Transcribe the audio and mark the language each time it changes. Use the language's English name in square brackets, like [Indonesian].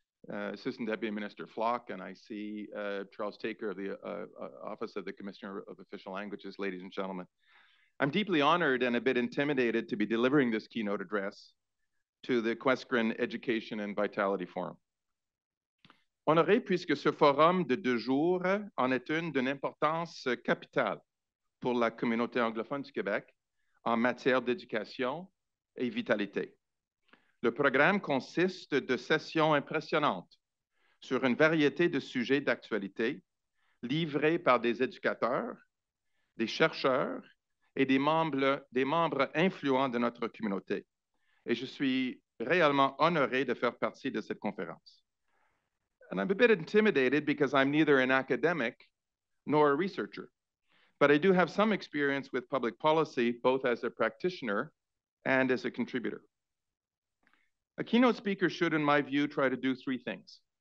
[English] Assistant Deputy Minister Flock, and I see Charles Taker of the Office of the Commissioner of Official Languages, ladies and gentlemen. I'm deeply honored and a bit intimidated to be delivering this keynote address to the QUESCREN Education and Vitality Forum. [French] Honoré puisque ce forum de deux jours en est une d'une importance capitale pour la communauté anglophone du Québec en matière d'éducation et vitalité. Le programme consiste de sessions impressionnantes sur une variété de sujets d'actualité livrés par des éducateurs, des chercheurs et des membres influents de notre communauté. Et je suis réellement honoré de faire partie de cette conférence. [English] And I'm a bit intimidated because I'm neither an academic nor a researcher, but I do have some experience with public policy, both as a practitioner and as a contributor. A keynote speaker should, in my view, try to do three things.